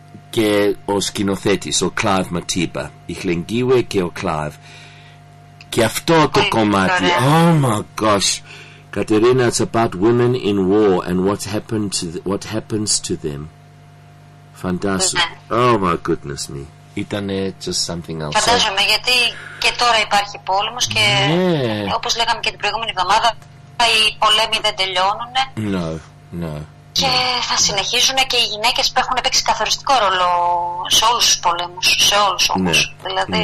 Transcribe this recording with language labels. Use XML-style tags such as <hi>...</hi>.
<el>Και ο σκηνοθέτης, ο Κλάιβ Ματίπα, η Χλενγκίουε και ο Κλάιβ. Και αυτό το κομμάτι,</el> <en>oh my gosh, Κατερίνα, it's about women in war and what happens to them.</en> <el>Φαντάζομαι.</el> <en>Oh my goodness me.</en> <el>Ήταν</el> <en>just something else.</en> <el>Φαντάζομαι, γιατί και τώρα υπάρχει πόλεμος και όπως λέγαμε και την προηγούμενη εβδομάδα, οι πολέμοι δεν τελειώνουν.</el> <en>No.</en> <el>Και θα συνεχίζουν και οι γυναίκες που έχουν παίξει καθοριστικό ρόλο σε όλους τους πολέμους, σε όλους όμως. Ναι, δηλαδή,</el>